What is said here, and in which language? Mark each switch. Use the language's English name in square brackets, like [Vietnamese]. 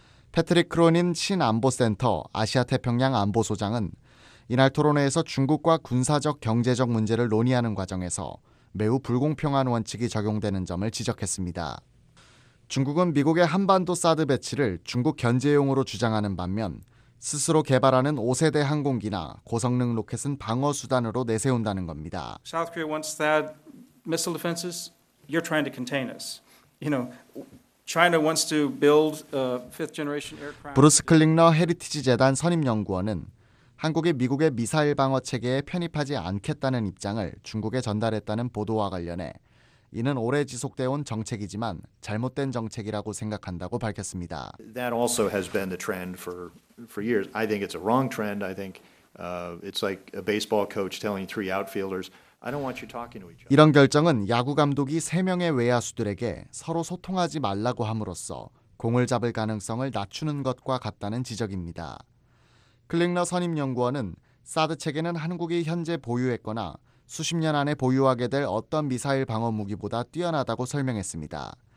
[Korean] 패트릭 크로닌 신안보센터 아시아태평양 안보소장은 이날 토론회에서 중국과 군사적 경제적 문제를 논의하는 과정에서 매우 불공평한 원칙이 적용되는 점을 지적했습니다. 중국은 미국의 한반도 사드 배치를 중국 견제용으로 주장하는 반면 스스로 개발하는 5세대 항공기나 고성능 로켓은 방어수단으로 내세운다는 겁니다. [English] South Korea wants that. Missile defenses, you're trying to contain us. You know, China wants to build a fifth generation aircraft. [Korean] 브루스 클링너 헤리티지 재단 선임 연구원은 한국이 미국의 미사일 방어 체계에 편입하지 않겠다는 입장을 중국에 전달했다는 보도와 관련해 이는 오래 지속돼온 정책이지만 잘못된 정책이라고 생각한다고 밝혔습니다. [English] That also has been the trend for years. I think it's a wrong trend. I think It's like a baseball coach telling three outfielders, "I don't want you talking to each other." [Korean] 이런 결정은 야구 감독이 세 명의 외야수들에게 서로 소통하지 말라고 함으로써 공을 잡을 가능성을 낮추는 것과 같다는 지적입니다. 클링러 선임 연구원은 사드 체계는 한국이 현재 보유했거나 수십 년 안에 보유하게 될 어떤 미사일 방어 무기보다 뛰어나다고 설명했습니다.